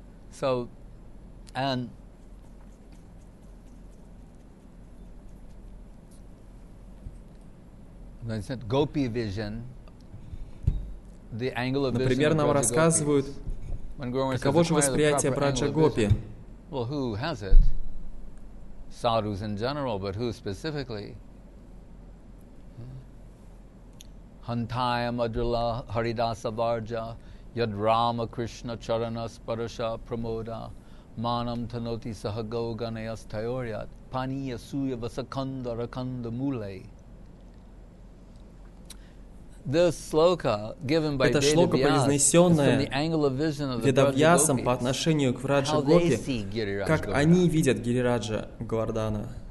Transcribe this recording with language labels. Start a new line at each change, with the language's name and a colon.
English: So, and Gopi vision, the angle of vision.
Russian: Например, нам рассказывают, каково же восприятие Браджа Гопи.
English: Well, who has it? Sadhus in general, but who specifically?
Sanskrit: Hantaya Madrila Haridasa Varja Yad Rama Krishna Charana Sparasha Pramoda Manam Tanoti Sahago Ganayas Tayoryat Paniya Suya Vasakanda Rakanda Mule.
English: This sloka, given by Veda Vyas, is from the angle of vision of the Vedavyasam
Russian: по отношению к Враджа Гопи, как они видят Гирираджа Говардана.